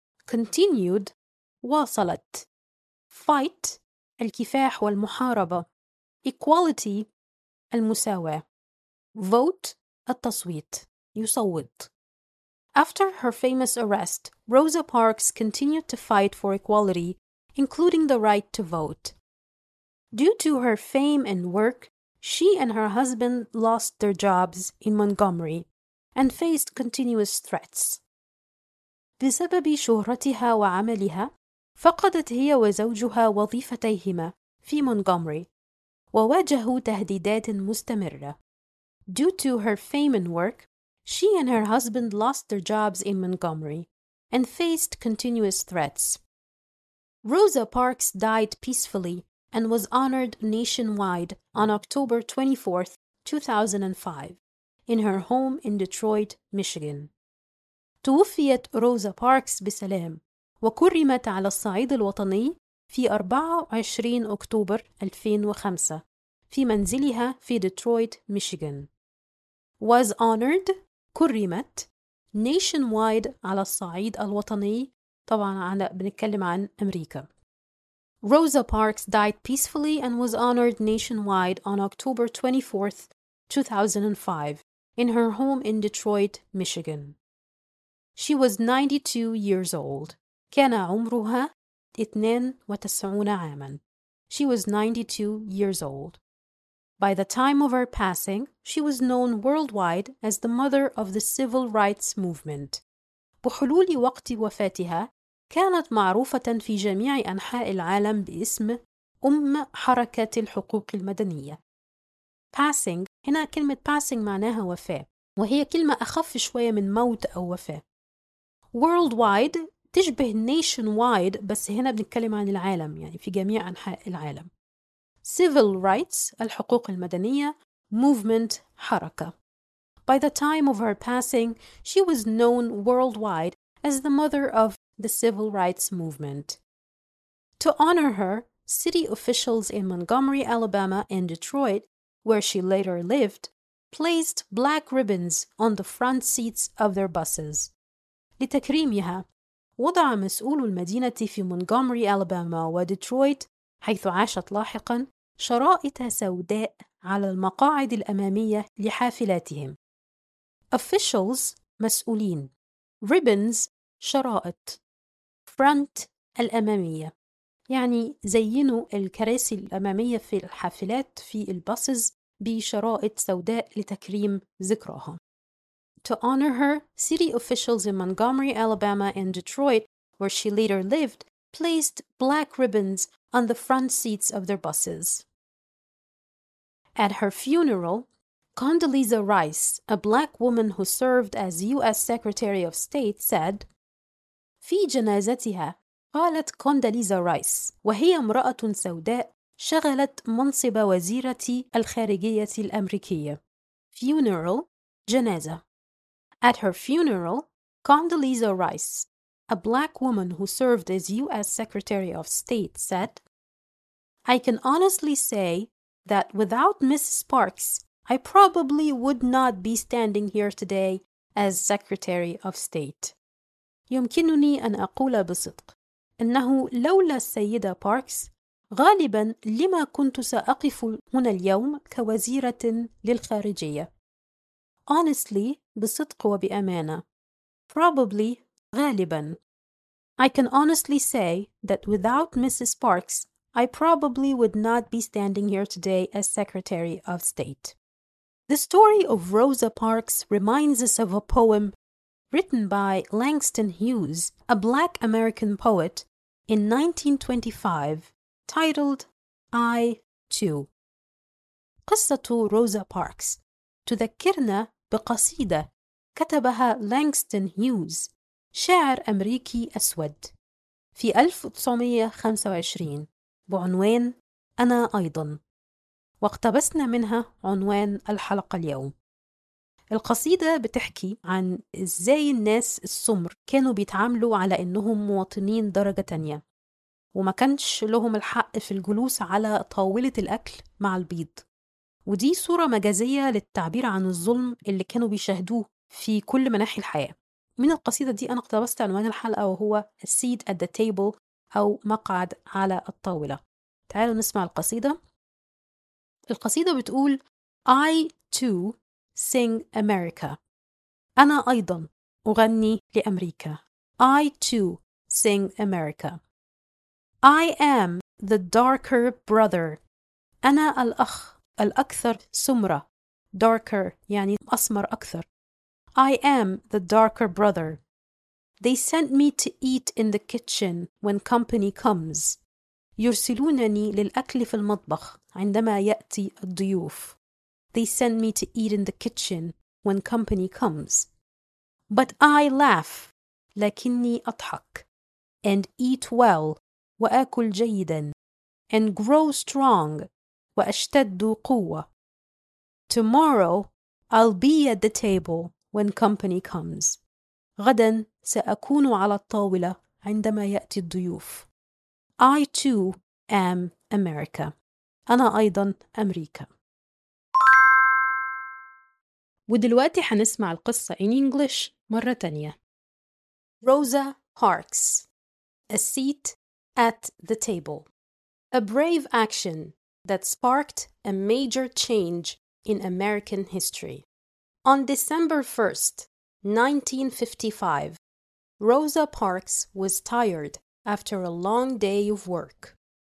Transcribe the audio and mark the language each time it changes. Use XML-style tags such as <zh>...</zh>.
<en>continued واصلت fight الكفاح والمحاربة equality المساواة vote التصويت يصوت after her famous arrest Rosa Parks continued to fight for equality including the right to vote due to her fame and work She and her husband lost their jobs in Montgomery and faced continuous threats.</en> <ar>بسبب شهرتها وعملها فقدت هي وزوجها وظيفتيهما في مونغومري وواجهوا تهديدات مستمرة.</ar> <en>Due to her fame and work, she and her husband lost their jobs in Montgomery and faced continuous threats. Rosa Parks died peacefully. And was honored nationwide on October 24th, 2005, in her home in Detroit, Michigan.</en> <ar>توفيت روزا باركس بسلام وكرمت على الصعيد الوطني في 24 أكتوبر 2005 في منزلها في ديترويت, ميشيغان. Was honored, كرمت, nationwide على الصعيد الوطني, طبعا على بنتكلم عن أمريكا.</ar> <en>Rosa Parks died peacefully and was honored nationwide on October 24th, 2005, in her home in Detroit, Michigan. She was 92 years old.</en> <ar>كان عمرها 92 عاما.</ar> <en>She was 92 years old. By the time of her passing, she was known worldwide as the mother of the civil rights movement.</en> <ar>بحلول وقت وفاتها, كانت معروفة في جميع أنحاء العالم باسم أم حركة الحقوق المدنية. Passing هنا كلمة passing معناها وفاة وهي كلمة أخف شوية من موت أو وفاة. Worldwide تشبه nationwide بس هنا بنتكلم عن العالم يعني في جميع أنحاء العالم. Civil rights الحقوق المدنية movement حركة.</ar> <en>By the time of her passing she was known worldwide as the mother of the civil rights movement. To honor her, city officials in Montgomery, Alabama, and Detroit, where she later lived, placed black ribbons on the front seats of their buses.</en> <ar>لتكريمها, وضع مسؤول المدينة في مونتغومري ألاباما وديترويت حيث عاشت لاحقاً شرائط سوداء على المقاعد الأمامية لحافلاتهم. Officials مسؤولين، Ribbons شرائط، Front الأمامية يعني زينوا الكراسي الأمامية في الحافلات في الباصز بشرائط سوداء لتكريم ذكراها.</ar> <en>To honor her, city officials in Montgomery, Alabama and Detroit, where she later lived, placed black ribbons on the front seats of their buses. At her funeral, Condoleezza Rice, a black woman who served as U.S. Secretary of State, said,</en> <ar>في جنازتها قالت كونداليزا رايس وهي امرأة سوداء شغلت منصب وزيرة الخارجية الأمريكية.</ar> <en>Funeral, جنازة. At her funeral, Condoleezza Rice, a black woman who served as U.S. Secretary of State, said, I can honestly say that without Ms. Sparks, I probably would not be standing here today as Secretary of State.</en> <ar>يمكنني أن أقول بصدق أنه لولا السيدة باركس غالبا لما كنت سأقف هنا اليوم كوزيرة للخارجية. Honestly, بصدق وبأمانة.</ar> <en>Probably, غالبا. I can honestly say that without Mrs. Sparks, I probably would not be standing here today as Secretary of State. The story of Rosa Parks reminds us of a poem written by Langston Hughes, a black American poet, in 1925, titled I, Too.</en> <ar>قصة روزا باركس تذكرنا بقصيدة كتبها لانغستون هيوز شاعر أمريكي أسود في 1925 بعنوان أنا أيضا، واقتبسنا منها عنوان الحلقة اليوم. القصيدة بتحكي عن إزاي الناس السمر كانوا بيتعاملوا على إنهم مواطنين درجة تانية وما كانش لهم الحق في الجلوس على طاولة الأكل مع البيض، ودي صورة مجازية للتعبير عن الظلم اللي كانوا بيشاهدوه في كل مناحي الحياة. من القصيدة دي أنا اقتبست عنوان الحلقة وهو</ar> <en>A Seat at the Table</en> <ar>أو مقعد على الطاولة. تعالوا نسمع القصيدة. القصيدة بتقول</ar> <en>I too sing America.</en> <ar>أنا أيضا أغني لأمريكا.</ar> <en>I too sing America. I am the darker brother.</en> <ar>أنا الأخ الأكثر سمرة. Darker يعني أسمر أكثر.</ar> <en>I am the darker brother. They sent me to eat in the kitchen when company comes.</en> <ar>يرسلونني للأكل في المطبخ عندما يأتي الضيوف.</ar> <en>They sent me to eat in the kitchen when company comes. But I laugh.</en> <ar>لكني أضحك.</ar> <en>And eat well.</en> <ar>وأكل جيدا.</ar> <en>And grow strong.</en> <ar>وأشتد قوة.</ar> <en>Tomorrow I'll be at the table when company comes.</en> <ar>غدا سأكون على الطاولة عندما يأتي الضيوف.</ar> <en>I too am America.</en> <ar>أنا أيضا أمريكا. ودلوقتي حنسمع القصة</ar> <en>in English</en> <ar>مرة تانية.</ar> <en>Rosa Parks, A Seat at the Table. A brave action that sparked a major change in American history. On December 1st, 1955, Rosa Parks was tired after a long day of work.</en>